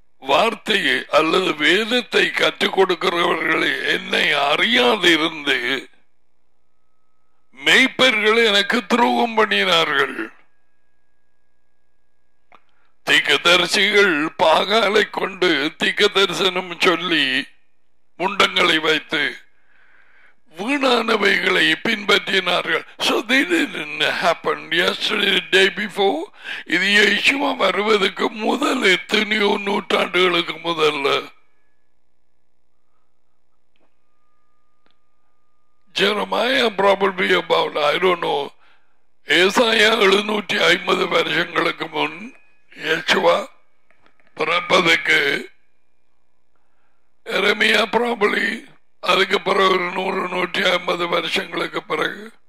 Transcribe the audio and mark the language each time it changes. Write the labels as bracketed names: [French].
[Tamil] வார்த்தையை அல்லது வேதத்தை கற்றுக் கொடுக்கிறவர்களை என்னை அறியாதிருந்து மேய்ப்பர்கள் எனக்கு துரோகம் பண்ணினார்கள். தீக்கதரிசிகள் பாகாலை கொண்டு தீக்க தரிசனம் சொல்லி முண்டங்களை வைத்து வீணானவைகளை பின்பற்றினார்கள். [English] So they didn't happen yesterday, the day before. [Tamil] இது யேசுவா வருவதற்கு முதல் எத்தனையோ நூற்றாண்டுகளுக்கு முதல்ல Jeremiah [English] probably about, I don't know, [Tamil] ஏசாயா 750 வருஷங்களுக்கு முன் யேசுவா பிறப்பதற்கு, எரேமியா [English] probably [Tamil] அதுக்கு பிறகு ஒரு 100-150 வருஷங்களுக்கு பிறகு.